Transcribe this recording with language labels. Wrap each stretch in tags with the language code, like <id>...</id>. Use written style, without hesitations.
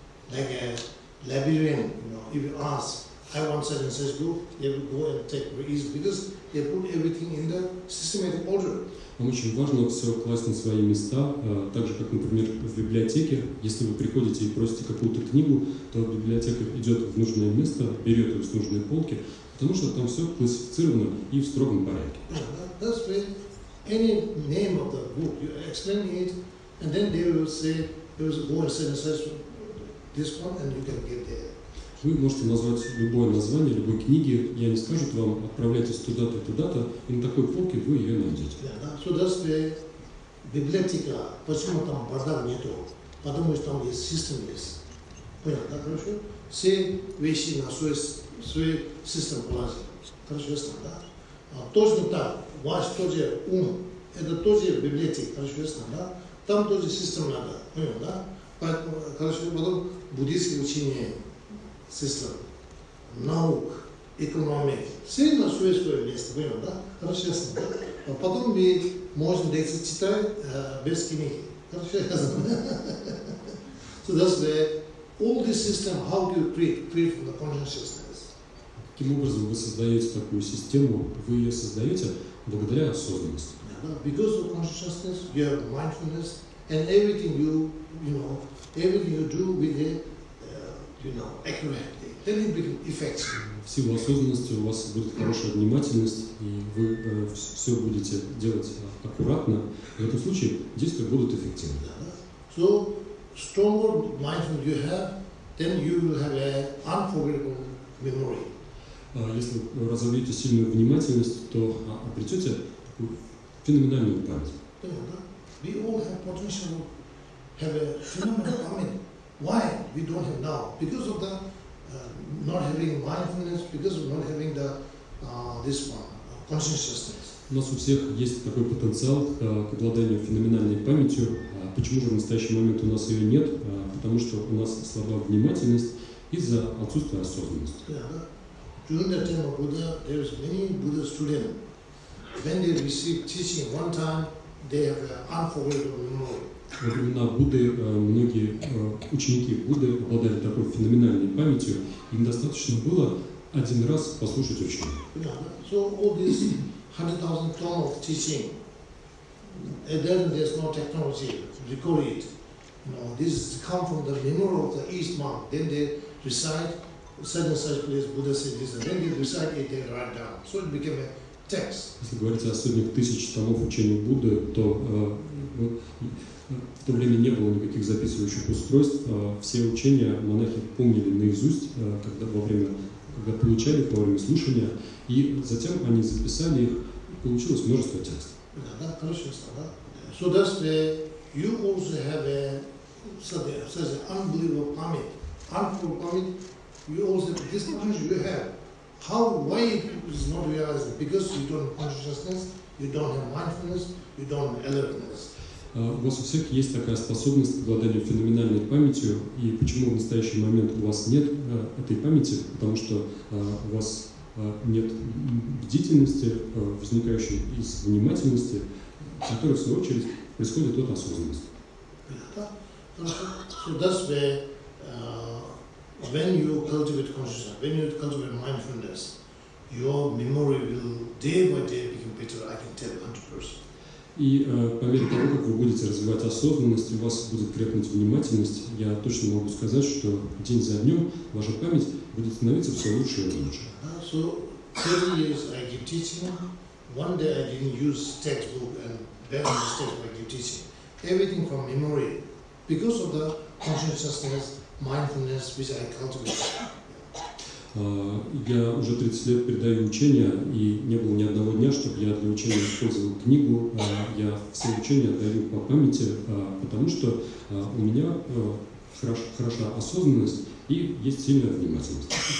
<en>Like a labyrinth, you know, if you ask, I want certain sense group, they will go and take very easy, because they put everything in the systematic order.</en> <ru>Вам очень важно все класть на свои места, так же, как, например, в библиотеке. Если вы приходите и просите какую-то книгу, то библиотека идет в нужное место, берет ее с нужной полки, потому что там все классифицировано и в строгом порядке.</ru> <en>That's right. Any name of the book, you explain it, and then they will say, there's a board synthesis, this one, and you can get there.</en> <ru>Вы можете назвать любое название, любой книги, и они скажут вам, отправляйтесь туда-то, туда-то, и на такой полке вы ее найдете.</ru> <en>So that's the</en> <ru>библиотека. Почему там бардак нету? Потому что там есть систем есть. Понятно, да, хорошо? Все вещи на свой систем полазят. Хорошо, ясно, да? А точно так, ваш тоже ум, это тоже библиотека, хорошо, ясно, да? Там тоже систем надо, понятно, да? Поэтому, хорошо, потом буддийские учения. System, наук, экономика, все на свое место, понял, да? Хорошо, ясно, да? А потом мы можем лекции читать без книги. Хорошо, ясно.</ru> <en>So that's where all the system, how do you create from the consciousness?</en> <ru>Каким образом вы создаете такую систему? Вы ее создаете благодаря осознанности.</ru> <en>Because of consciousness, you have mindfulness, and everything everything you do with it,</en> <ru>в силу осознанности у вас будет хорошая внимательность, и вы все будете делать аккуратно, в этом случае действия будут эффективны.</ru> <en>So, stronger mindfulness you have, then you will have an unforgettable memory.</en> <ru>Если вы развиете сильную внимательность, то обретете такую феноменальную память.</ru> <en>We all have potential to have a phenomenal memory. Why we don't have now? Because of the not having mindfulness, because of not having the this one, consciousness.</en> <ru>У нас у всех есть такой потенциал к обладанию феноменальной памятью. Почему же в настоящий момент у нас ее нет? Потому что у нас слаба внимательность из-за отсутствия осознанности.</ru> <en>During the time of Buddha, there is many Buddha students. When they receive teaching one time, they have an unforgettable memory.</en> <ru>Во времена Будды многие ученики Будды обладали такой феноменальной памятью. Им достаточно было один раз послушать учение.</ru> <en>So all these 100,000 tons of teaching, and then there's no technology to record it. This comes from the memory of the East monk. Then they recite certain such place Buddha said this, and then they recite it, they write down. So it became a text.</en> <ru>Если говорить о сотнях тысяч томов учения Будды, то в то время не было никаких записывающих устройств. Все учения монахи помнили наизусть, когда получали во время слушания, и затем они записали их, и получилось множество текстов. Да, хорошо, да.</ru> <en>So that's why you also have such an unbelievable память, unforgettable память. You also this much you have, How, why it is not realized? Because you don't have consciousness, you don't have mindfulness, you don't have alertness.</en> <ru>У вас у всех есть такая способность к обладанию феноменальной памятью, и почему в настоящий момент у вас нет этой памяти? Потому что у вас нет бдительности, возникающей из внимательности, которая, в свою очередь, происходит от осознанности.</ru> <en>So that's where, when you cultivate consciousness, when you cultivate mindfulness, your memory will day by day become better, I can tell 100%.</en> <ru>И по мере того, как вы будете развивать осознанность, у вас будет крепнуть внимательность, я точно могу сказать, что день за днем ваша память будет становиться все лучше и лучше.</ru> <en>So, 30 years I give teaching. One day I didn't use textbook and better mistakes I give teaching. Everything from memory. Because of the consciousness, mindfulness, which I cultivate.</en> <ru>Я уже 30 лет передаю учения, и не было ни одного дня, чтобы я для учения использовал книгу. Я все учения отдаю по памяти, потому что у меня хороша осознанность и есть сильная внимательность.</ru>